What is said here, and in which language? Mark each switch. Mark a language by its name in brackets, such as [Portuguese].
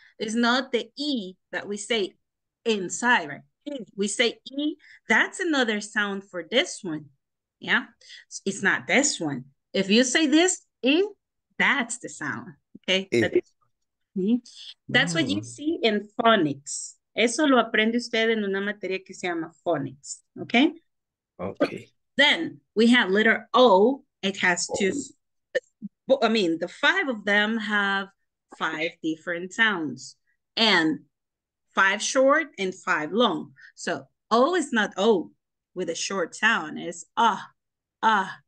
[English] It's not the E that we say inside, right? We say E, that's another sound for this one, yeah? It's not this one. If you say this, E, that's the sound, okay? E. That's what you see in phonics. [Spanish] Eso lo aprende usted en una materia que se llama phonics, okay? [English] Okay. Then we have letter O. It has two, I mean, the five of them have five different sounds and five short and five long. So O is not O with a short sound. It's ah, ah,